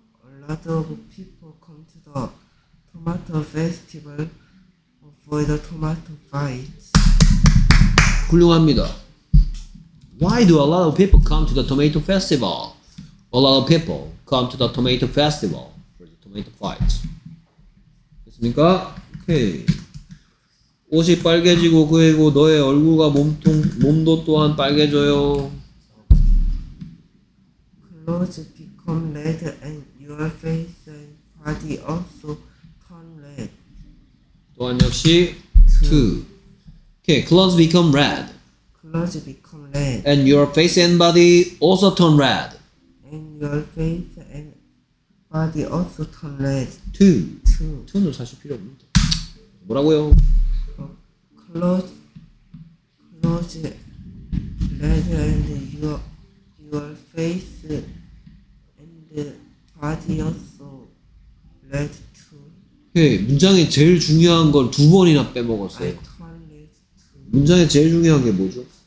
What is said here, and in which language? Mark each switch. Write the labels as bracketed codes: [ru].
[en] A lot of people come to the tomato festival for the tomato fight. [ko] 훌륭합니다. [en] Why do a lot of people come to the tomato festival? A lot of people come to the tomato festival for the tomato fight. [ko] 됐습니까? 오케이. 옷이 빨개지고 그리고 너의 얼굴과 몸도 또한 빨개져요. [en] Clothes become red and your face and body also turn red. [ko] 또한 역시 [en] two. Okay, clothes become red. Clothes become red. And your face and body also turn red. And your face and body also turn red. [ko] Two는 사실 필요 없는데. 뭐라고요? [en] Clothes red and your face and body also red too. [ko] 네, 문장에 제일 중요한 걸 두 번이나 빼먹었어요. [en] I turn red too. [ko] 문장에 제일 중요한 게 뭐죠?